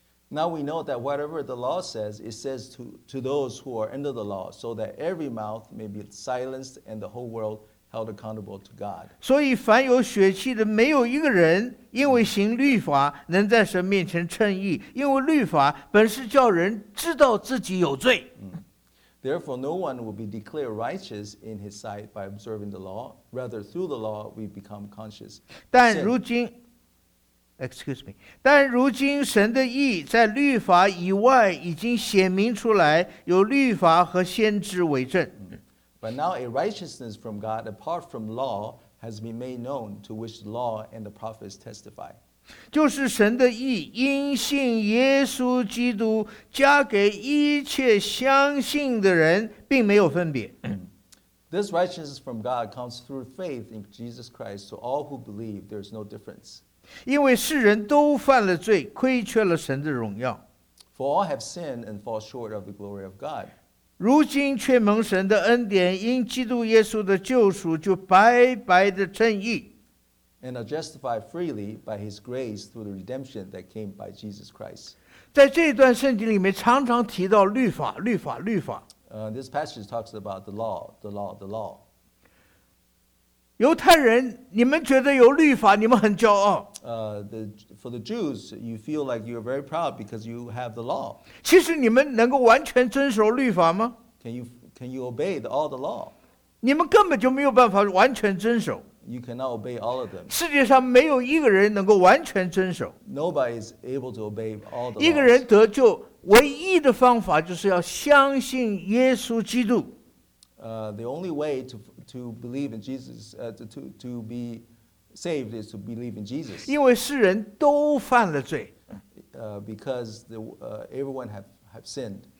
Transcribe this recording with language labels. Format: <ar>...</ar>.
<en>Now we know that whatever the law says, it says to those who are under the law, so that every mouth may be silenced and the whole world held accountable to God.</en> <zh>所以凡有血气的，没有一个人因为行律法能在神面前称义，因为律法本是叫人知道自己有罪。</zh> <en>Therefore, no one will be declared righteous in his sight by observing the law. Rather, through the law, we become conscious.</en> <zh>但如今</zh> <en>Excuse me.</en> <zh>但如今神的义在律法以外已经显明出来，有律法和先知为证。</zh> <en>But now a righteousness from God apart from law has been made known, to which the law and the prophets testify.</en> <zh>就是神的义因信耶稣基督加给一切相信的人，并没有分别。</zh> <en>This righteousness from God comes through faith in Jesus Christ to all who believe. There is no difference.</en> <zh>因为世人都犯了罪，亏缺了神的荣耀。</zh> <en>For all have sinned and fall short of the glory of God.</en> <zh>如今却蒙神的恩典，因基督耶稣的救赎，就白白的称义。</zh> <en>And are justified freely by His grace through the redemption that came by Jesus Christ.</en> <zh>在这段圣经里面，常常提到律法，律法，律法。</zh> <en>This passage talks about the law, the law, the law.</en> <zh>犹太人，你们觉得有律法，你们很骄傲。</zh> <en>For the Jews, you feel like you are very proud because you have the law.</en> <zh>其实你们能够完全遵守律法吗？</zh> <en>Can you obey all the law?</en> <zh>你们根本就没有办法完全遵守。</zh> <en>You cannot obey all of them.</en> <zh>世界上没有一个人能够完全遵守。</zh> <en>Nobody is able to obey all the laws.</en> <zh>一个人得救唯一的方法就是要相信耶稣基督。</zh> <en>The only way to believe in Jesus, to be saved is to believe in Jesus.</en> <zh>因为世人都犯了罪。</zh> <en>Because everyone have sinned.</en>